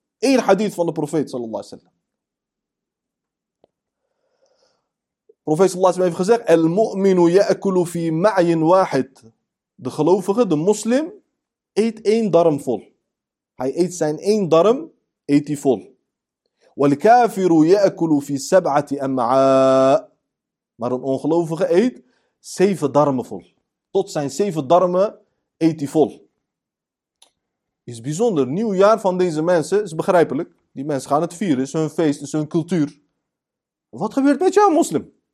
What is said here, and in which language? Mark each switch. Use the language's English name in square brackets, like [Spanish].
[Dutch] Eén hadith van de profeet, sallallahu alaihi wasallam. Profeet, sallallahu alaihi wasallam, heeft gezegd, [Arabic] Al-mu'minu ya'kulu fi ma'yin wahid. [Dutch] De gelovige, de moslim, eet één darm vol. Hij eet zijn één darm 84. [Arabic] والكافر يأكل في سبعة أمعاء. [Dutch] Maar een ongelovige eet zeven darmen vol. Tot zijn zeven darmen eet hij vol. Is bijzonder. Nieuwjaar van deze mensen is begrijpelijk. Die mensen gaan het vieren. Is hun feest, is hun cultuur. Wat gebeurt met jou, moslim?